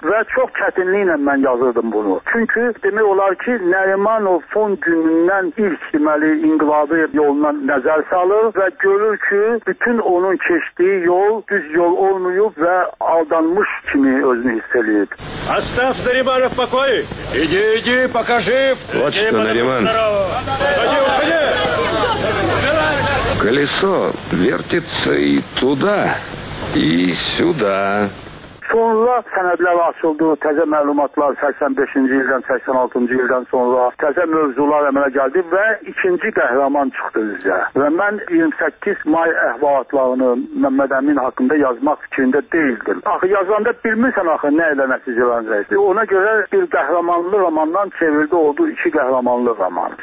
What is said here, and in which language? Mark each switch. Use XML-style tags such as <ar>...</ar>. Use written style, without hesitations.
<az>Və çox çətinliklə mən yazırdım bunu. Çünki demək olar ki, Nərimanov son günündən ilk, deməli, inqilabi yoluna nəzər salır və görür ki, bütün onun keçdiyi yol düz yol olmuyub və aldanmış kimi özünü hiss eləyib.</az> <ru>Оставь Нариманов в покое! Иди, иди, покажи! Вот что, Нариман! Уходи, уходи! Колесо вертится и туда, и сюда.</ru> <az>sonra sənədlər açıldı, təzə məlumatlar 85-ci ildən, 86-cı ildən sonra təzə mövzular əmələ gəldi və ikinci qəhrəman çıxdı üzə. Və mən 28 may əhvalatlarını Məmməd Əmin haqqında yazmaq fikrində deyildim. Axı yazanda bilmirsən axı nə ilə nəticələnəcəkdir. Ona görə bir qəhrəmanlı romandan çevrildi oldu iki qəhrəmanlı roman.</az>